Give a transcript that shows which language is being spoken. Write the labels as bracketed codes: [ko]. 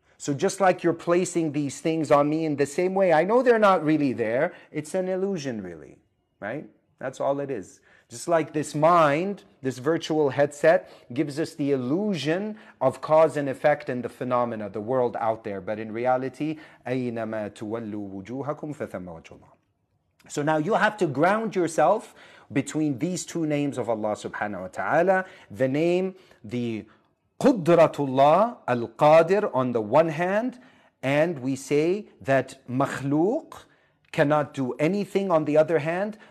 [en] So just like you're placing these things on me in the same way, I know they're not really there. It's an illusion, really, right? That's all it is. Just like this mind, this virtual headset, gives us the illusion of cause and effect and the phenomena, the world out there. But in reality, [ar] أَيْنَمَا تُوَلُّوا وُجُوهَكُمْ فَثَمَّ وَجْهُ اللَّهِ. [en] So now you have to ground yourself between these two names of Allah subhanahu wa ta'ala. The name, the Qudratullah Al-Qadir on the one hand, and we say that makhluq cannot do anything on the other hand.